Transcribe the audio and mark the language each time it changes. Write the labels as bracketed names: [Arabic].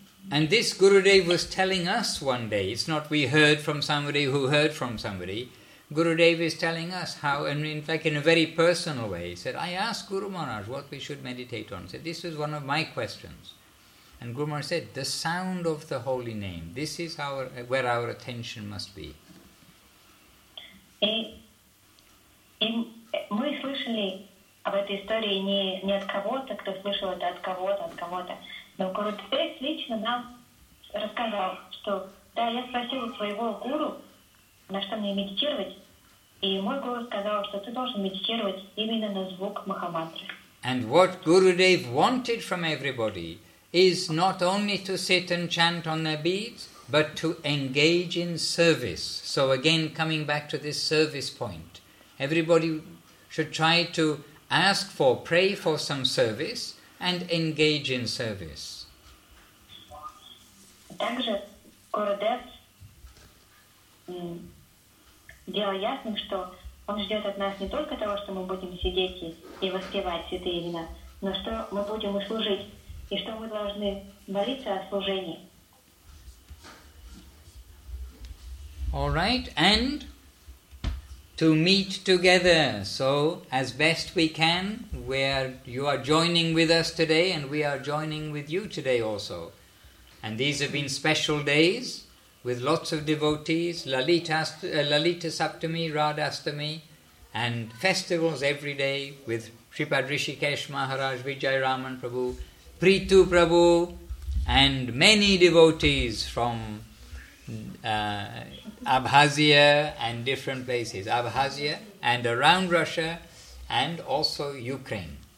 [English] And this Gurudev was telling us one day, it's not we heard from somebody who heard from somebody, Gurudev is telling us how, and in fact in a very personal way, he said, I asked Guru Maharaj what we should meditate on. He said, this is one of my questions. And Guru Maharaj said, the sound of the holy name, this is where our attention must be. [Russian] Мы слышали об этой истории не от кого-то, кто слышал это от кого-то. Но Гурудев лично нам рассказал, что да, я спросил своего гуру, на что мне медитировать, и мой гуру сказал, что ты должен медитировать именно на звук Махамантры. [English] And what Gurudev wanted from everybody is not only to sit and chant on their beads, but to engage in service. So again, coming back to this service point, everybody should try to ask for, pray for some service and engage in service. [Russian] Также Gurudev делал ясным, что он ждет от нас не только того, что мы будем сидеть и воспевать святые имена, но что мы будем и служить, и что мы должны молиться о служении. [English] All right, and to meet together, so as best we can, you are joining with us today and we are joining with you today also. And these have been special days with lots of devotees, Lalita Saptami, Radhastami, and festivals every day with Sripad Rishikesh Maharaj, Vijayaraman Prabhu, Preetu Prabhu, and many devotees from Abkhazia and different places, Abkhazia and around Russia and also Ukraine.